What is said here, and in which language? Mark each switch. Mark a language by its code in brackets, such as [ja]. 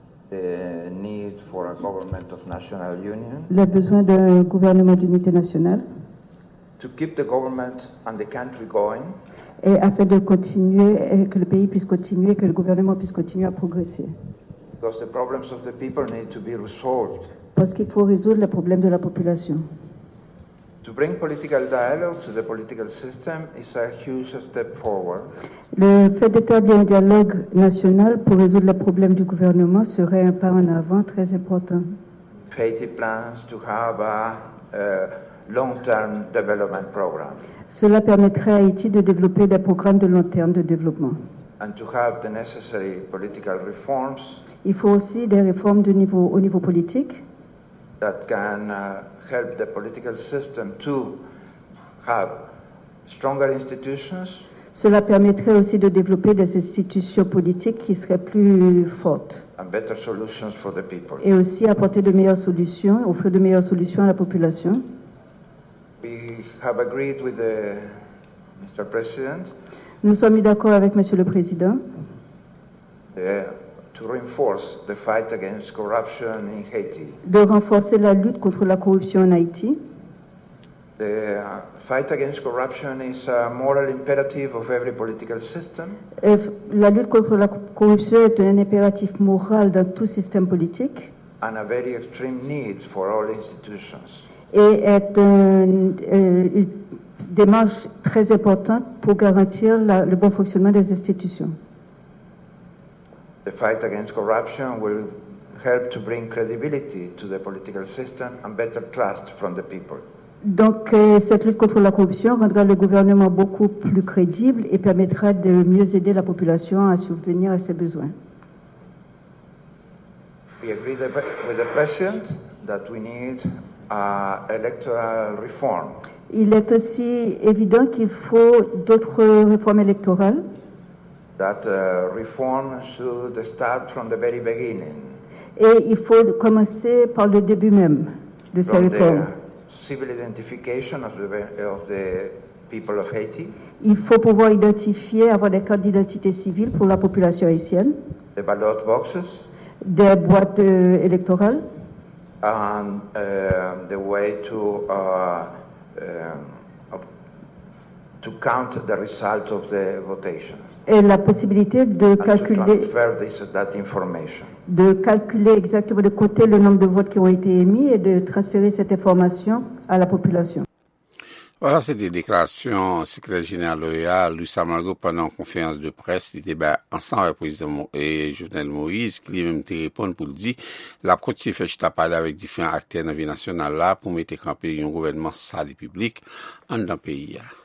[en] The need for a government of national union. [fr] Le besoin d'un gouvernement d'unité nationale. [en] To keep the government and the country going. [fr] Et afin de continuer, que le pays puisse continuer, que le gouvernement puisse continuer à progresser. [en] Because the problems of the people need to be resolved. [fr] Parce qu'il faut résoudre les problèmes de la population. [en] To bring political dialogue to the political system is a huge step forward. [fr] Le fait d'établir un dialogue national pour résoudre les problèmes du gouvernement serait un pas en avant très important. [en] Faith plans to have a long-term development program. [fr] Cela permettrait à Haïti de développer des programmes de long terme de développement. [en] And to have the necessary political reforms. [fr] Il faut aussi des réformes de niveau, au niveau politique. [en] That can help the political system to have stronger institutions. [fr] Cela permettrait aussi de développer des institutions politiques qui seraient plus fortes. [en] And better solutions for the people. [fr] Et aussi apporter de meilleures solutions, offrir de meilleures solutions à la population. [en] We have agreed with the Mr. President. [fr] Nous sommes d'accord avec Monsieur le Président. [en] To reinforce the fight against corruption in Haiti. [fr] De renforcer la lutte contre la corruption en Haïti. [en] The fight against corruption is a moral imperative of every political system. [fr] Et la lutte contre la corruption est un impératif moral dans tout système politique. [en] And a very extreme need for all institutions. [fr] Et est une démarche très importante pour garantir le bon fonctionnement des institutions. [en] The fight against corruption will help to bring credibility to the political system and better trust from the people. [fr] Donc, cette lutte contre la corruption rendra le gouvernement beaucoup plus crédible et permettra de mieux aider la population à subvenir à ses besoins. [en] We agree with the president that we need electoral reform. [fr] Il est aussi évident qu'il faut d'autres réformes électorales. [en] That reform should start from the very beginning. [fr] Et il faut commencer par le début même de ces réformes. [en] Civil identification of the people of Haiti. [fr] Il faut pouvoir identifier, avoir des cartes d'identité civile pour la population haïtienne. [en] The ballot boxes. [fr] Des boîtes électorales. [en] And the way to count the results of the votation. [fr] Et la possibilité de calculer. [en] And to transfer that information. [fr] De calculer exactement, de compter le nombre de votes qui ont été émis et de transférer cette information à la population. Voilà, c'est des déclarations du secrétaire général de l'OEA, Luis Almagro, pendant une conférence de presse, des débats ensemble avec le président et Jovenel Moïse, qui lui-même te répond pour le dire, la continue fait juste à parler avec différents acteurs de la vie nationale là, pour mettre campé un gouvernement sale et public, en dans le pays.